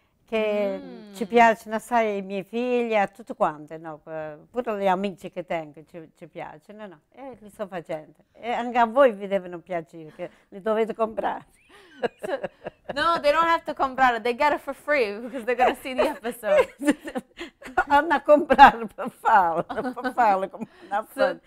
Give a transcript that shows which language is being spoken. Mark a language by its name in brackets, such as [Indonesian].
[Italian] Che ci piacciono assai i miei figli, a tutti quanti, no? Pure gli amici che tengo ci piacciono, no? E li sto facendo. E anche a voi vi devono piacere, che li dovete comprare. [English] So, no, they don't have to comprare, they get it for free, because they're going to see the episode. [Italian] Hanno a comprare per farlo, come una fun.